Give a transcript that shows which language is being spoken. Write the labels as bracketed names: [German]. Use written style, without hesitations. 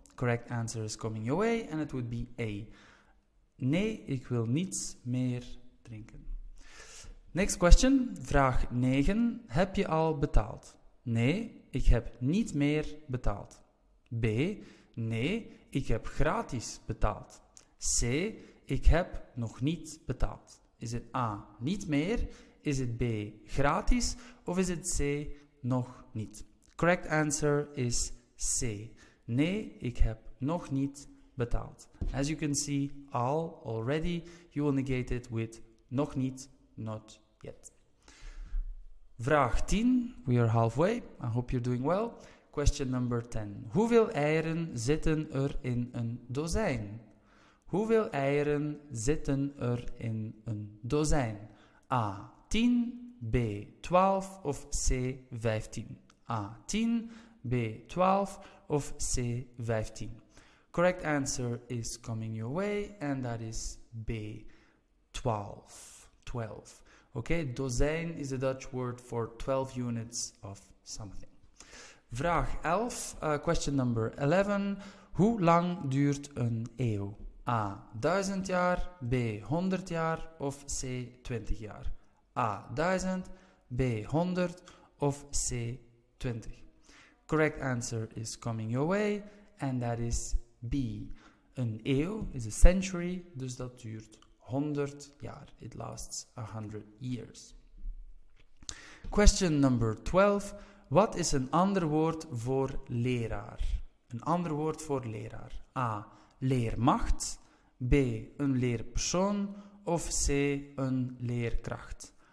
[English] Correct answer is coming your way and it would be A. [Dutch] Nee, ik wil niets meer drinken. [English] Next question, [Dutch] vraag 9. Heb je al betaald? Nee, ik heb niet meer betaald. B, nee, ik heb gratis betaald. C, ik heb nog niet betaald. Is het A, niet meer? Is het B, gratis? Of is het C, nog niet? [English] Correct answer is C. [Dutch] Nee, ik heb nog niet betaald. [English] As you can see, al, already, you will negate it with [Dutch] nog niet, [English] not yet. [Dutch] Vraag 10. [English] We are halfway. I hope you're doing well. Question number 10. [Dutch] Hoeveel eieren zitten er in een dozijn? Hoeveel eieren zitten er in een dozijn? A, 10, B, 12 of C, 15? A, 10, B, 12 of C, 15? [English] Correct answer is coming your way and that is B, 12. 12. Okay, dozijn is a Dutch word for 12 units of something. [Dutch] Vraag 11, [English] question number 11. [Dutch] Hoe lang duurt een eeuw? A, 1000 jaar, B, 100 jaar of C, 20 jaar? A, 1000, B, 100 of C, 20? [English] Correct answer is coming your way and that is B. [Dutch] Een eeuw [English] is a century, [Dutch] dus dat duurt 100 jaar. [English] It lasts 100 years. Question number 12. [Dutch] Wat is een ander woord voor leraar? Een ander woord voor leraar. A, leermacht, B, een leerpersoon of C, een leerkracht?